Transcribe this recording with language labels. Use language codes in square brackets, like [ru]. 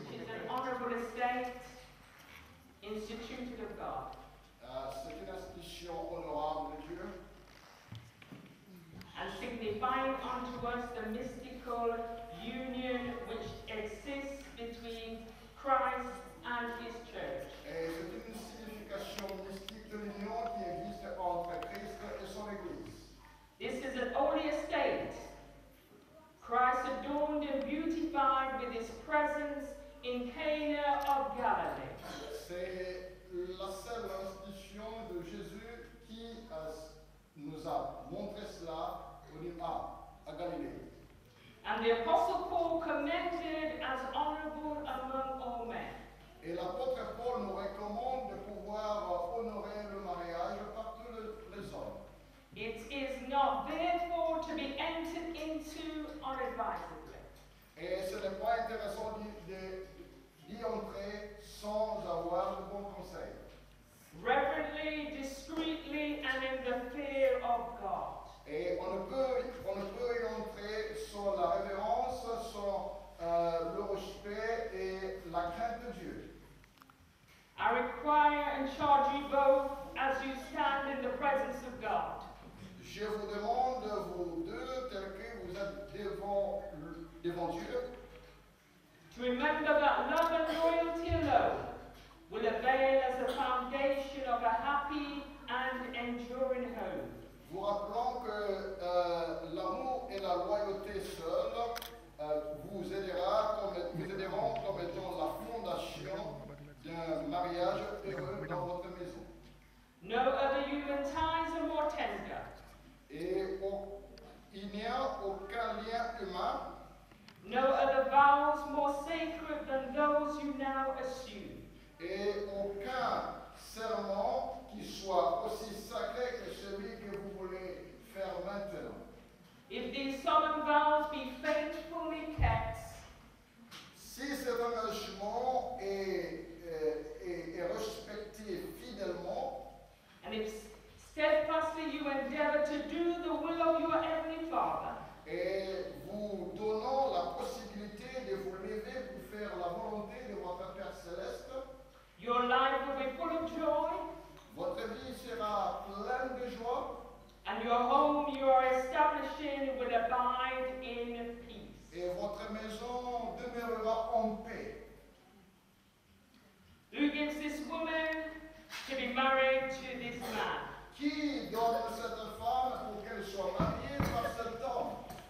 [en] Which is an honourable estate, instituted of God. [fr] C'est une institution honorable de Dieu. [en] And signifying unto us the mystical union which exists between Christ and his church. [fr] Et c'est une signification mystique de l'union qui existe entre Christ et son Église. [en] This is an holy estate, Christ adorned and beautified with his presence in Cana of Galilee. [fr] C'est la seule institution de Jésus qui nous a montré cela au départ, à Galilée. [en] And the Apostle Paul commended as honorable among all men. [fr] Et l'apôtre Paul nous recommande de pouvoir honorer le mariage par tous les hommes. [en] It is not therefore to be entered into unadvisedly. [fr] Et ce n'est pas intéressant d'y entrer sans avoir de bons conseils. [en] Reverently, discreetly, and in the fear of God. [fr] Et on ne peut y entrer sans la révérence, sans le respect et la crainte de Dieu. [en] I require and charge you both as you stand in the presence of God. [fr] Je vous demande, vous deux, tel que vous êtes devant Dieu, [en] to remember that love and loyalty alone will avail as a foundation of a happy and enduring home. [fr] Vous rappelons que l'amour et la loyauté seuls vous aideront comme étant la fondation d'un mariage heureux dans votre maison. [en] No other human ties are more tender. [fr] Et il n'y a aucun lien humain. [en] No other vows more sacred than those you now assume. [fr] Et aucun serment qui soit aussi sacré que celui que vous voulez faire maintenant. [en] If these solemn vows be faithfully kept. [fr] Si cet engagement est respecté fidèlement. [en] And if steadfastly you endeavor to do the will of your heavenly Father. [fr] Et vous donnant la possibilité de vous lever pour faire la volonté de votre Père céleste. [en] Your life will be full of joy. [fr] Votre vie sera pleine de joie. [en] And your home you are establishing will abide in peace. [fr] Et votre maison demeurera en paix. [en] Who gives this woman to be married to this man? [fr] Qui donne cette femme pour qu'elle soit mariée par cet homme?